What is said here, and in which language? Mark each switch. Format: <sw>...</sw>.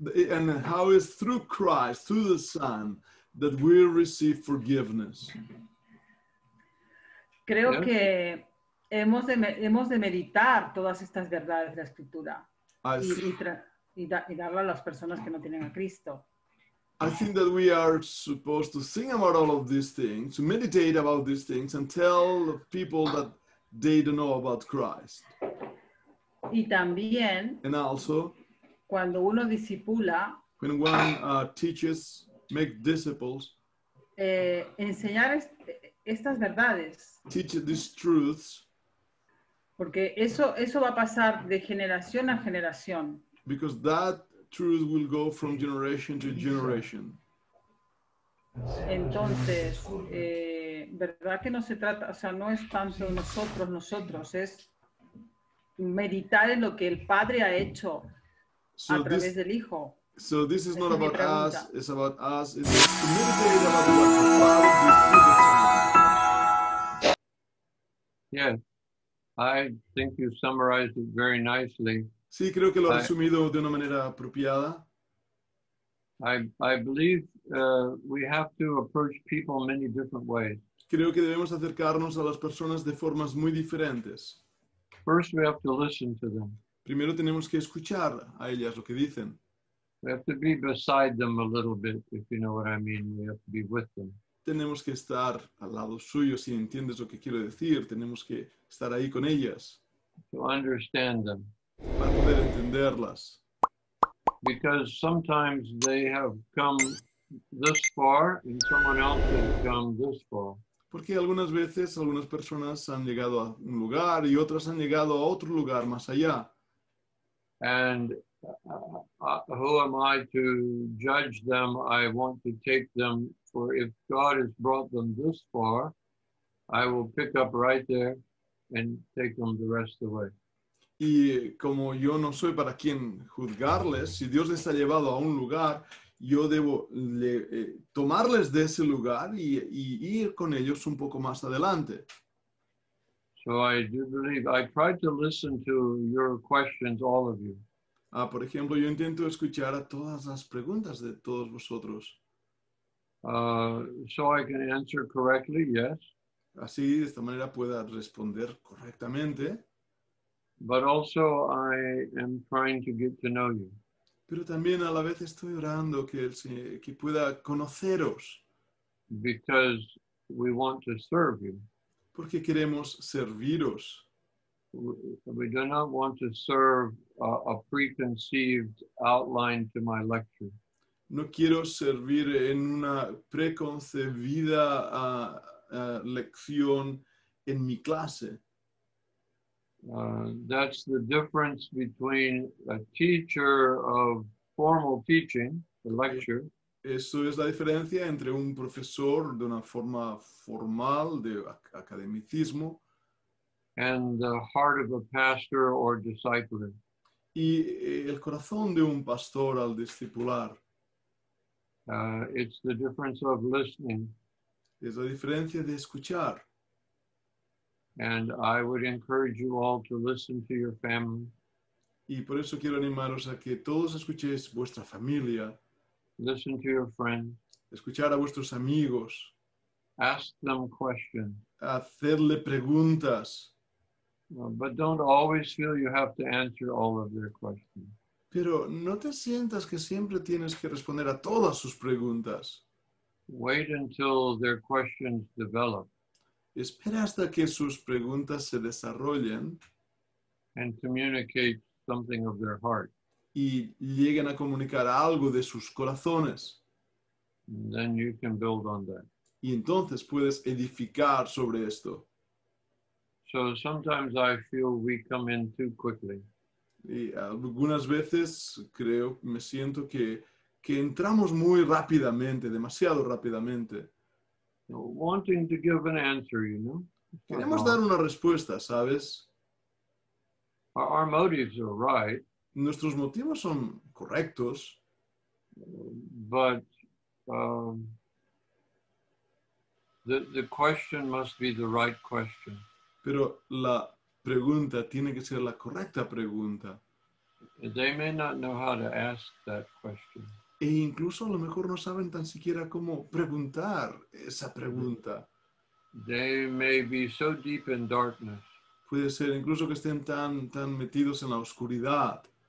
<en>And how is through Christ, through the Son, that we receive forgiveness?</en> <es>Creo que hemos de meditar todas estas verdades de la Escritura y darlas a las personas que no tienen a Cristo.</es> <en>I think that we are supposed to think about all of these things, to meditate about these things, and tell people that they don't know about Christ.</en> <es>Y también.</es> <en>And also.</en> <es>Cuando uno discipula,</es> <en>when one teaches, make disciples,</en> <es>enseñar estas verdades,</es> <en>teach these truths,</en> <es>porque eso va a pasar de generación a generación.</es> <en>Because that truth will go from generation to generation.</en> <es>Entonces, verdad que no se trata, o sea, no es tanto nosotros, es meditar en lo que el Padre ha hecho.</es> <en>So</en> <es>a través del Hijo.</es> <en>So this is not about us, it's about us. It's a community about what the Father did through the Son. Yes, I think you summarized it very nicely.</en> <es>Sí, creo que lo has resumido de una manera apropiada.</es> <en>I believe we have to approach people in many different ways.</en> <es>Creo que debemos acercarnos a las personas de formas muy diferentes.</es> <en>First, we have to listen to them.</en> <es>Primero tenemos que escuchar a ellas lo que dicen.</es> <en>We have to be beside them a little bit, if you know what I mean. We have to be with them.</en> <es>Tenemos que estar al lado suyo, si entiendes lo que quiero decir. Tenemos que estar ahí con ellas.</es> <en>To understand them.</en> <es>Para poder entenderlas.</es> <en>Because sometimes they have come this far and someone else has come this far.</en> <es>Porque algunas veces algunas personas han llegado a un lugar y otras han llegado a otro lugar más allá.</es> <en>And who am I to judge them? I want to take them, for if God has brought them this far, I will pick up right there and take them the rest of the way.</en> <es>Y como yo no soy para quien juzgarles, si Dios les ha llevado a un lugar, yo debo tomarles de ese lugar y ir con ellos un poco más adelante.</es> <en>So I do believe, I try to listen to your questions, all of you.</en> <es>Ah, por ejemplo, yo intento escuchar a todas las preguntas de todos vosotros.</es> <en>So I can answer correctly, yes.</en> <es>Así, de esta manera pueda responder correctamente.</es> <en>But also I am trying to get to know you.</en> <es>Pero también a la vez estoy orando que pueda conoceros.</es> <en>Because we want to serve you.</en> <es>Porque queremos serviros.</es> <en>We do not want to serve a preconceived outline to my lecture.</en> <es>No quiero servir en una preconcebida lección en mi clase.</es> <en>That's the difference between a teacher of formal teaching, a lecture.</en> <es>Eso es la diferencia entre un profesor de una forma formal de academicismo.</es> <en>And the heart of a pastor or discipler.</en> <es>Y el corazón de un pastor al discipular.</es> <en>It's the difference of listening.</en> <es>Es la diferencia de escuchar.</es> <en>And I would encourage you all to listen to your family.</en> <es>Y por eso quiero animaros a que todos escuchéis vuestra familia.</es> <en>Listen to your friends.</en> <es>Escuchar a vuestros amigos.</es> <en>Ask them questions.</en> <es>Hacerle preguntas.</es> <en>But don't always feel you have to answer all of their questions.</en> <es>Pero no te sientas que siempre tienes que responder a todas sus preguntas.</es> <en>Wait until their questions develop.</en> <es>Espera hasta que sus preguntas se desarrollen</es> <en>and communicate something of their heart.</en> <es>Y lleguen a comunicar algo de sus corazones.</es> <en>Then you can build on that.</en> <es>Y entonces puedes edificar sobre esto.</es> <en>So sometimes I feel we come in too quickly.</en> <es>Y algunas veces creo, me siento que entramos muy rápidamente, demasiado rápidamente.</es> <en>Wanting to give an answer, you know.</en> <es>Queremos dar una respuesta, ¿sabes?</es> <en>Our motives are right.</en> <es>Nuestros motivos son correctos.</es> <en>But the question must be the right question.</en> <es>Pero la pregunta tiene que ser la correcta pregunta.</es> <en>They may not know how to ask that question.</en> <es>E incluso a lo mejor no saben tan siquiera cómo preguntar esa pregunta.</es> <en>They may be so deep in darkness.</en> <es>Puede ser incluso que estén tan metidos en la oscuridad.</es>